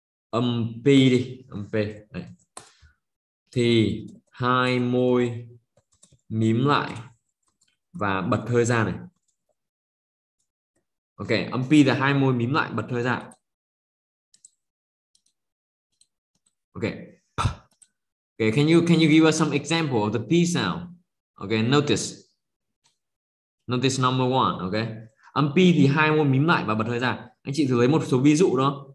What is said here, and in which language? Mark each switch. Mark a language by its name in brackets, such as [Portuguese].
[Vietnamese] Âm P đi, âm P. Đấy. Thì hai môi mím lại và bật hơi ra này. Ok, âm P là hai môi mím lại bật hơi ra. Ok. [English] Okay, can you give us some example of the P sound? Okay, notice number one. [Vietnamese] Okay, âm P thì hai môi mím lại và bật hơi ra. Anh chị thử lấy một số ví dụ đó.